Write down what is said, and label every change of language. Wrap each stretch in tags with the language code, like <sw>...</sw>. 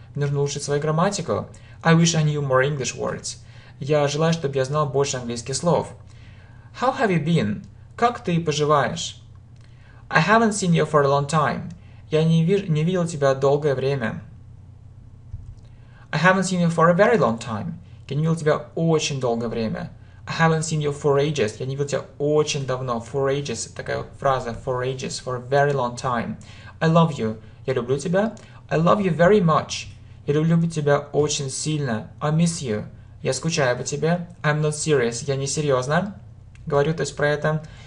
<ru>Мне нужно улучшить свою грамматику.</ru> <en>I wish I knew more English words.</en> <ru>Я желаю, чтобы я знал больше английских слов.</ru> <en>How have you been?</en> <ru>Как ты поживаешь?</ru> <en>I haven't seen you for a long time.</en> <ru>Я не видел тебя долгое время.</ru> <en>I haven't seen you for a very long time.</en> <ru>Я не видел тебя очень долгое время.</ru> <en>I haven't seen you for ages.</en> <ru>Я не видел тебя очень давно.</ru> <en>For ages.</en> <ru>Такая фраза.</ru> <en>For ages. For a very long time. I love you.</en> <ru>Я люблю тебя.</ru> <en>I love you very much.</en> <ru>Я люблю тебя очень сильно.</ru> <en>I miss you.</en> <ru>Я скучаю по тебе.</ru> <en>I'm not serious.</en> <ru>Я не серьезно. Говорю, то есть, про это.</ru>